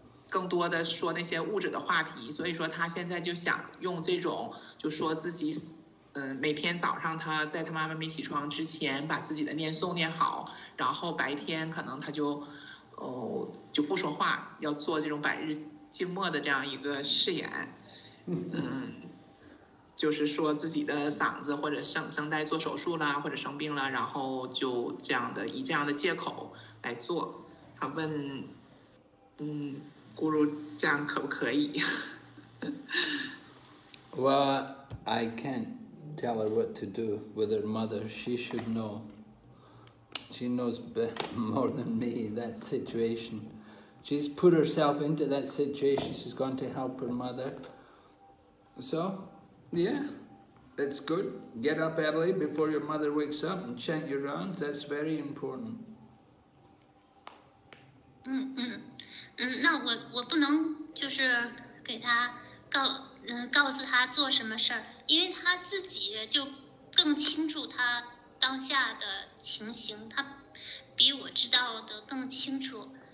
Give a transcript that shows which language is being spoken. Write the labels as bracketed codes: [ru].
[zh] 更多的说那些物质的话题，所以说他现在就想用这种就说自己每天早上他在他妈妈没起床之前把自己的念诵念好，然后白天可能他就不说话，要做这种百日静默的这样一个誓言。就是说自己的嗓子或者声带做手术啦，或者生病了，然后就这样的以这样的借口来做。他问，咕噜这样可不可以 [en] ？Well, I can't tell her what to do with her mother. She should know. She knows more than me that situation. She's put herself into that situation. She's going to help her mother. So. Yeah, that's good. Get up early before your mother wakes up and chant your rounds. That's very important. [zh] 那我不能就是给他告诉他做什么事儿，因为他自己就更清楚他当下的情形，他比我知道的更清楚。